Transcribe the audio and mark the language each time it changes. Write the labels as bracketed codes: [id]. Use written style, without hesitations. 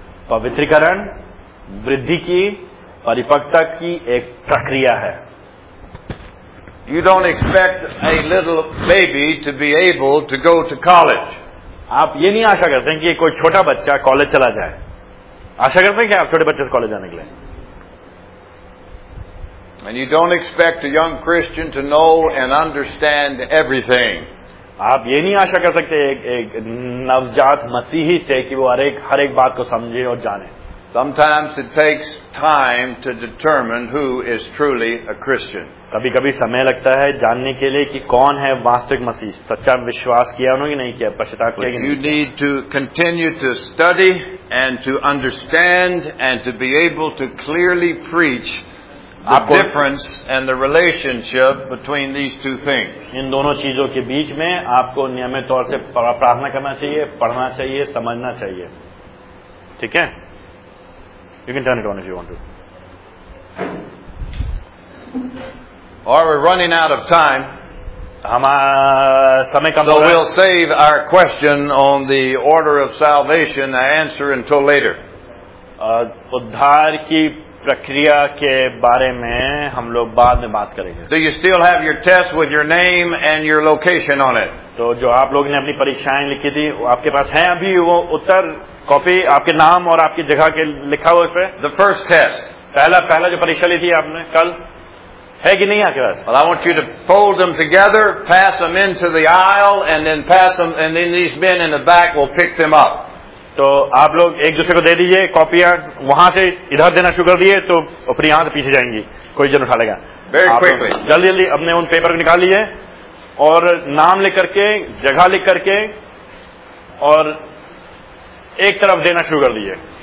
[hi] पवित्रीकरण वृद्धि की, परिपक्वता की एक प्रक्रिया है. [en] You don't expect a little baby to be able to go to college. [hi] आप ये नहीं आशा करते हैं कि कोई छोटा बच्चा कॉलेज चला जाए. आशा करते हैं कि आप छोटे बच्चे से कॉलेज जाने के लिए. [en] And you don't expect a young Christian to know and understand everything. [hi] आप ये नहीं आशा कर सकते एक नवजात मसीही से कि वो हर एक बात को समझे और जाने. [en] Sometimes it takes time to determine who is truly a Christian. [hi] कभी कभी समय लगता है जानने के लिए कि कौन है वास्तविक मसीह, सच्चा विश्वास किया उन्होंने कि नहीं किया, पश्चाताप किया कि नहीं. [en] You need to continue to study and to understand and to be able to clearly preach the difference and the relationship between these two things. [hi] इन दोनों चीजों के बीच में आपको नियमित तौर से प्रार्थना करना चाहिए, पढ़ना चाहिए, समझना चाहिए. ठीक है? [en] You can turn it on if you want to. Are we running out of time? [hi] समय कम. [en] So we'll save our question on the order of salvation answer until later. [hi] उद्धार की प्रक्रिया के बारे में हम लोग बाद में बात करेंगे. [en] Do you still have your test with your name and your location on it? [hi] तो जो आप लोगों ने अपनी परीक्षाएं लिखी थी आपके पास है अभी वो उत्तर कॉपी, आपके नाम और आपकी जगह के लिखा हुआ उस पर. [en] the first test, [hi] पहला जो परीक्षा ली थी आपने कल, है कि नहीं आपके पास? [en] Well, I want you to fold them together, pass them into the aisle, and then pass them, and then these men in the back will pick them up. [hi] तो आप लोग एक दूसरे को दे दीजिए कॉपियां, वहां से इधर देना शुरू कर दिए तो अपनी यहां से पीछे जाएंगी, कोई जन उठा लेगा. [en] very quickly, [hi] जल्दी जल्दी अपने उन पेपर को निकाल लीजिए और नाम लिख करके, जगह लिख करके और एक तरफ देना शुरू कर दीजिए.